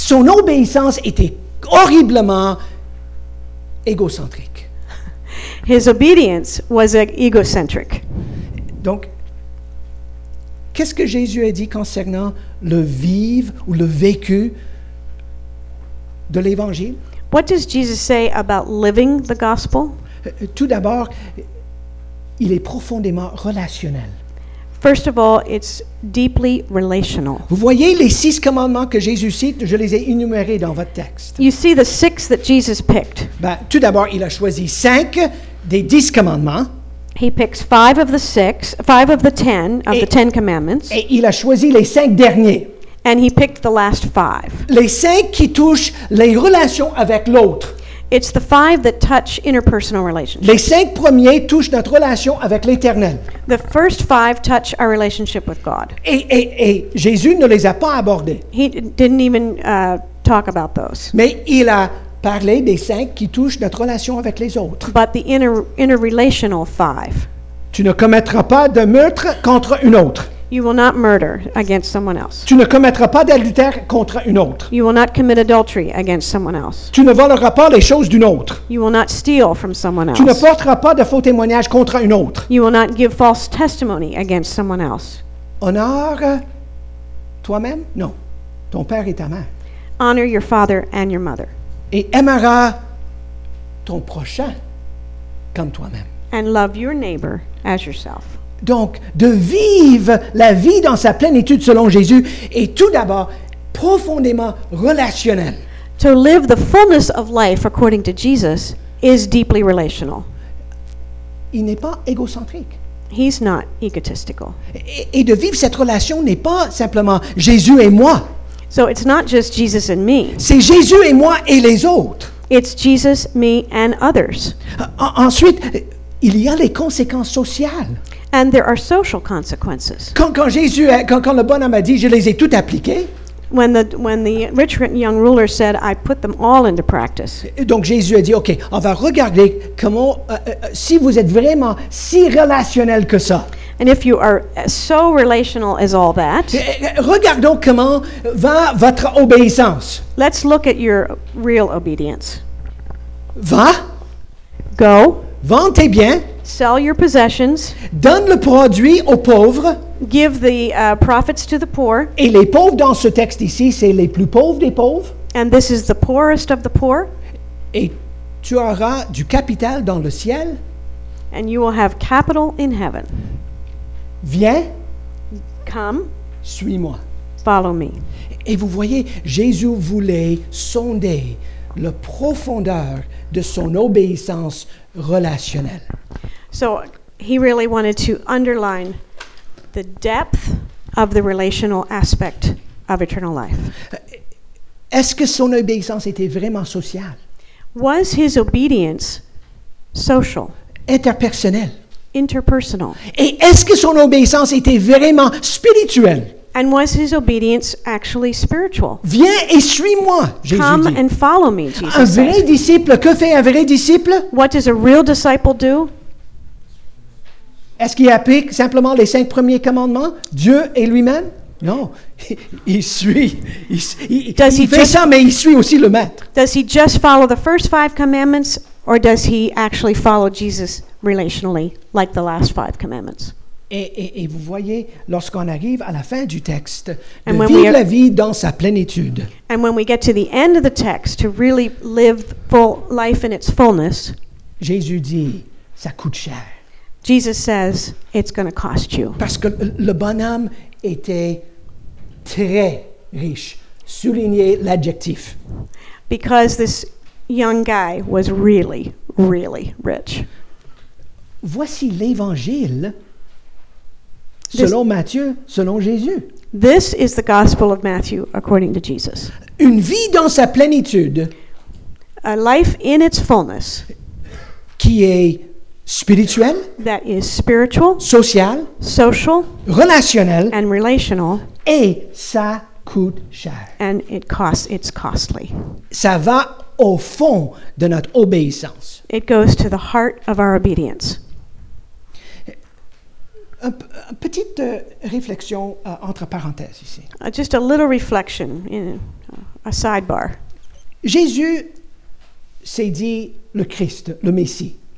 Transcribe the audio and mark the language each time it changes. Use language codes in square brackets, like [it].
[fr] Son obéissance était horriblement égocentrique. [en] His obedience was egocentric. [fr] Donc, qu'est-ce que Jésus a dit concernant le vivre ou le vécu de l'Évangile? [en] What does Jesus say about living the gospel? [fr] Tout d'abord, il est profondément relationnel. [en] First of all, it's deeply relational. [fr] Vous voyez les six commandements que Jésus cite, je les ai énumérés dans votre texte. [en] You see the six that Jesus picked. [fr] Tout d'abord, il a choisi cinq des dix commandements. [en] He picks five of the ten commandments. [fr] Et il a choisi les cinq derniers. [en] And he picked the last five. [fr] Les cinq qui touchent les relations avec l'autre. [en] It's the five that touch interpersonal relationships. [fr] Les cinq premiers touchent notre relation avec l'Éternel. [en] The first five touch our relationship with God. [fr] Et Jésus ne les a pas abordés. [en] He didn't even talk about those. [fr] Mais il a parlé des cinq qui touchent notre relation avec les autres. [en] But the interrelational five. [fr] Tu ne commettras pas de meurtre contre une autre. [en] You will not murder against someone else. [fr] Tu ne commettras pas d'adultère contre une autre. [en] You will not commit adultery against someone else. [fr] Tu ne voleras pas les choses d'une autre. [en] You will not steal from someone else. [fr] Tu ne porteras pas de faux témoignages contre une autre. [en] You will not give false testimony against someone else. [fr] Honore toi-même? Non. Ton père et ta mère. [en] Honor your father and your mother. [fr] Et aimeras ton prochain comme toi-même. [en] And love your neighbor as yourself. [fr] Donc, de vivre la vie dans sa plénitude selon Jésus est tout d'abord profondément relationnel. [en] To live the fullness of life according to Jesus is deeply relational. [fr] Il n'est pas égocentrique. [en] He's not egotistical. [fr] Et de vivre cette relation n'est pas simplement Jésus et moi. [en] So it's not just Jesus and me. [fr] C'est Jésus et moi et les autres. [en] It's Jesus, me and others. [fr] Ensuite, il y a les conséquences sociales. [en] And there are social consequences. [fr] Quand le bonhomme a dit, je les ai toutes appliquées. [en] When the rich young ruler said, I put them all into practice. [fr] Donc Jésus a dit, OK, on va regarder comment, si vous êtes vraiment si relationnel que ça. [en] And if you are so relational as all that. [fr] Regardons comment va votre obéissance. [en] Let's look at your real obedience. [fr] Va. [en] Go. [fr] Vends tes biens. [en] Sell your possessions. [fr] Donne le produit aux pauvres. [en] give the profits to the poor. [fr] Et les pauvres dans ce texte ici, c'est les plus pauvres des pauvres. [en] And this is the poorest of the poor. [fr] Et tu auras du capital dans le ciel. [en] And you will have capital in heaven. [fr] Viens. [en] Come. [fr] Suis-moi. [en] Follow me. [fr] Et vous voyez, Jésus voulait sonder la profondeur de son obéissance relationnelle. [en] So he really wanted to underline the depth of the relational aspect of eternal life. [fr] Est-ce que son obéissance était vraiment sociale? [en] Was his obedience social? [fr] Interpersonnelle. [en] Interpersonal. [fr] Et est-ce que son obéissance était vraiment spirituelle? [en] And was his obedience actually spiritual? [fr] Viens et suis-moi, Jésus [en] Come [fr] dit. [en] And follow me, Jesus [fr] Un vrai [en] said. [fr] Disciple, que fait un vrai disciple? [en] What does a real disciple do? [fr] Est-ce qu'il applique simplement les cinq premiers commandements? Dieu et lui-même? Non, il suit. Il fait [en] just, [fr] ça, mais il suit aussi le maître. [en] Does he just follow the first five commandments, or does he actually follow Jesus relationally, like the last five commandments? [fr] Et vous voyez, lorsqu'on arrive à la fin du texte, and de vivre la vie dans sa plénitude. [en] And when we get to the end of the text, to really live full life in its fullness, [fr] Jésus dit, ça coûte cher. [en] Jesus says, it's going to cost you. [fr] Parce que le bonhomme était très riche. Soulignez l'adjectif. [en] Because this young guy was really, really rich. [fr] Voici l'évangile selon Matthieu, selon Jésus. [en] This is the gospel of Matthew according to Jesus. [fr] Une vie dans sa plénitude. [en] A life in its fullness. [fr] Qui est spirituelle. [en] That is spiritual. [fr] Sociale. [en] Social. [fr] Relationnelle. [en] And relational. [fr] Et ça coûte cher. [en] And it's costly. [fr] Ça va au fond de notre obéissance. [en] It goes to the heart of our obedience. [fr] Une petite réflexion entre parenthèses ici. [en] Just a little reflection, in a sidebar. [fr] Jésus s'est dit le Christ, le Messie.